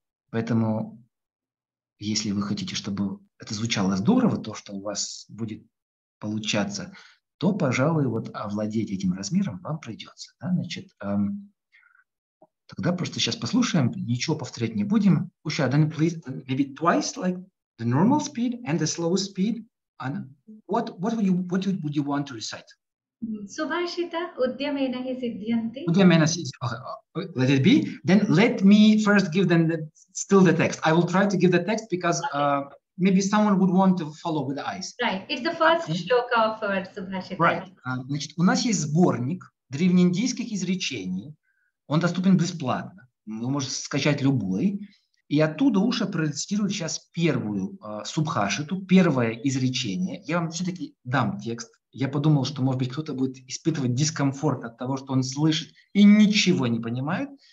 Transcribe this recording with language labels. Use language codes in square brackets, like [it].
[ru] Поэтому, если вы хотите, чтобы это звучало здорово, то, что у вас будет получаться, то, пожалуй, вот овладеть этим размером вам придется. Да? Значит, тогда просто сейчас послушаем, ничего повторять не будем. [en] Usha, then please, maybe twice, like the normal speed and the slow speed. And what would you want to recite? [sa] Subhashita Udyamena Hi Siddhyanti. Udyamena Siddhyanti. [en] Let it be. Then let me first give them still the text. I will try to give the text because maybe someone would want to follow with the eyes. Right. It's the first shloka of our Subhashita. Right. [ru] Значит, у нас есть сборник древнеиндийских изречений. Он доступен бесплатно. Вы можете скачать любой. И оттуда Уша процитирует сейчас первую субхашиту, первое изречение. Я вам все-таки дам текст. Я подумал, что, может быть, кто-то будет испытывать дискомфорт от того, что он слышит и ничего не понимает.